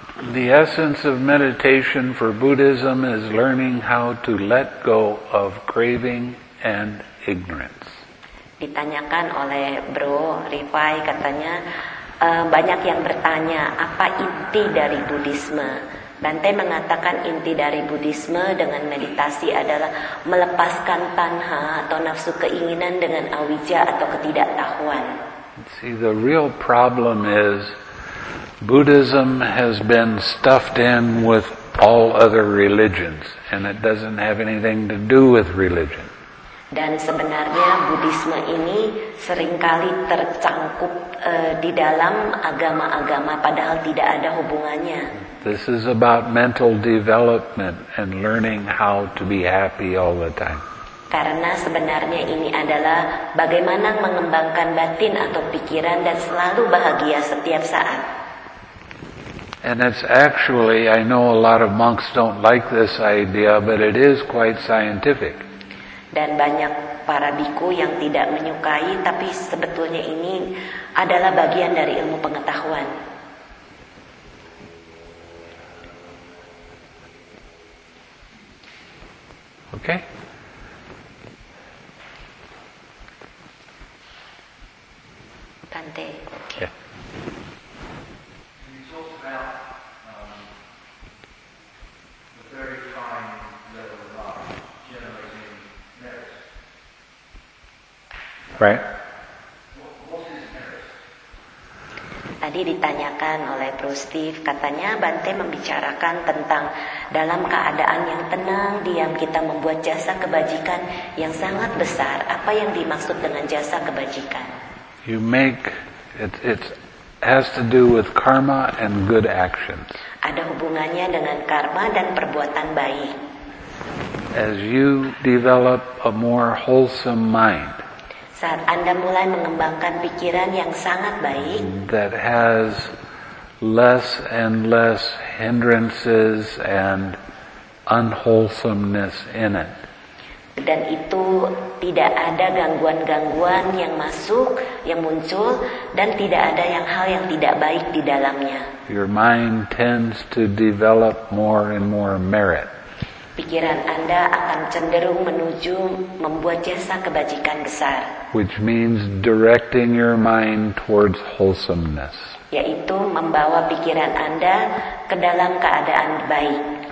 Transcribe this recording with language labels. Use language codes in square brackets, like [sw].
[en] The essence of meditation for Buddhism is learning how to let go of craving and ignorance. [id] Ditanyakan oleh Bro Rifai katanya banyak yang bertanya apa inti dari Buddhisme. Bante mengatakan inti dari Buddhisme dengan meditasi adalah melepaskan tanha atau nafsu keinginan dengan awija atau ketidaktahuan. [en] See, the real problem is Buddhism has been stuffed in with all other religions, and it doesn't have anything to do with religion. [id] Dan sebenarnya Buddhisme ini seringkali tercangkup di dalam agama-agama, padahal tidak ada hubungannya. [en] This is about mental development and learning how to be happy all the time. [id] Karena sebenarnya ini adalah bagaimana mengembangkan batin atau pikiran dan selalu bahagia setiap saat. [en] And it's actually, I know a lot of monks don't like this idea, but it is quite scientific. [id] Dan banyak para biku yang tidak menyukai, tapi sebetulnya ini adalah bagian dari ilmu pengetahuan. [en] Okay. Tante. Okay. Yeah. Right. [id] Tadi ditanyakan oleh Bro Steve, katanya Bante membicarakan tentang dalam keadaan yang tenang, diam, kita membuat jasa kebajikan yang sangat besar. Apa yang dimaksud dengan jasa kebajikan? [en] You make it has to do with karma and good actions. [id] Ada hubungannya dengan karma dan perbuatan baik. [en] As you develop a more wholesome mind, [id] saat Anda mulai mengembangkan pikiran yang sangat baik, [en] that has less and less hindrances and unwholesomeness in it, [id] dan itu tidak ada gangguan-gangguan yang masuk, yang muncul, dan tidak ada yang hal yang tidak baik di dalamnya, [en] your mind tends to develop more and more merit. [id] Pikiran Anda akan cenderung menuju membuat jasa kebajikan besar. [en] Which means directing your mind towards wholesomeness. [id] Yaitu membawa pikiran Anda ke dalam keadaan baik.